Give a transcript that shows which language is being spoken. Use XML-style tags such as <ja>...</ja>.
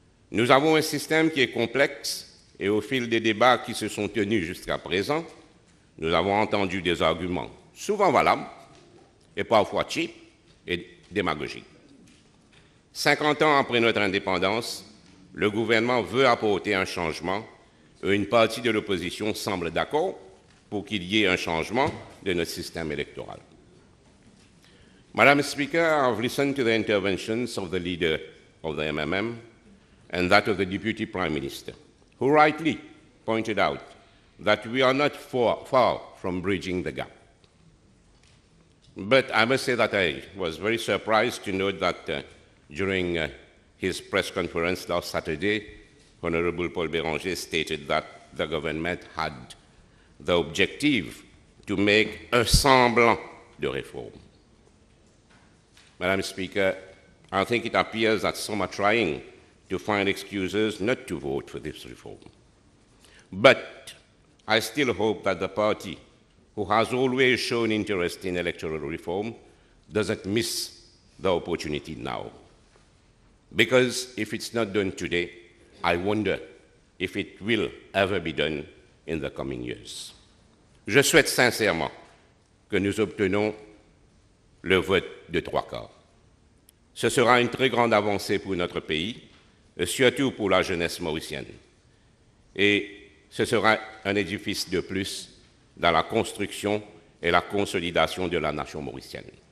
<fr>Nous avons un système qui est complexe et au fil des débats qui se sont tenus jusqu'à présent, nous avons entendu des arguments souvent valables et parfois cheap et démagogique. 50 ans après notre indépendance, le gouvernement veut apporter un changement et une partie de l'opposition semble d'accord pour qu'il y ait un changement de notre système électoral.</fr> <en>Madam Speaker, I've listened to the interventions of the leader of the MMM and that of the Deputy Prime Minister, who rightly pointed out that we are not far from bridging the gap. But I must say that I was very surprised to note that during his press conference last Saturday, Honorable Paul Béranger stated that the government had the objective to make a</en> <fr>semblant de réforme.</fr> <en>Madam Speaker, I think it appears that some are trying to find excuses not to vote for this reform. But I still hope that the party who has always shown interest in electoral reform doesn't miss the opportunity now. Because if it's not done today, I wonder if it will ever be done in the coming years.</en> <fr>Je souhaite sincèrement que nous obtenions le vote de trois quarts. Ce sera une très grande avancée pour notre pays, et surtout pour la jeunesse mauricienne. Et ce sera un édifice de plus dans la construction et la consolidation de la nation mauricienne.</fr>